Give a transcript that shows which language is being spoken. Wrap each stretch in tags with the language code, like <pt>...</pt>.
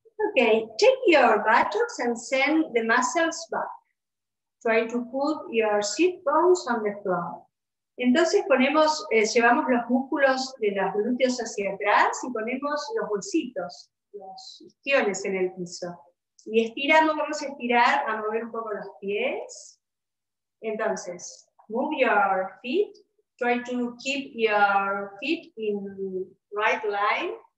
<en>Okay, take your buttocks and send the muscles back. Try to put your sit bones on the floor.</en> <es>Entonces ponemos, llevamos los músculos de los glúteos hacia atrás y ponemos los bolsitos, los isquiones en el piso. Y estiramos, vamos a estirar, a mover un poco los pies. Entonces,</es> <en>move your feet, try to keep your feet in right line.</en>